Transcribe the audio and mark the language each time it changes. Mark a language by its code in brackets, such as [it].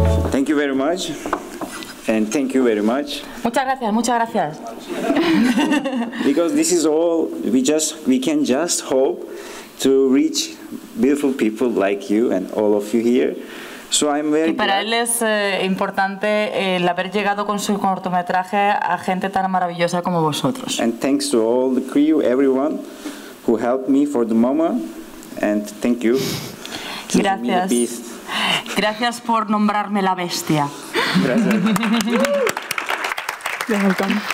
[en] Thank you very much. And thank you very much. [es] Muchas gracias, muchas gracias. [en] Because this is all, we can just hope to reach beautiful people like you and all of you here. So I'm very [es] y para [en] glad. [es] Él es importante el haber llegado con su cortometraje a gente tan maravillosa como vosotros. [en] And thanks to all the crew, everyone who helped me for the moment. And thank you. [es] Gracias. Me the beast. Gracias por nombrarme la bestia. Gracias.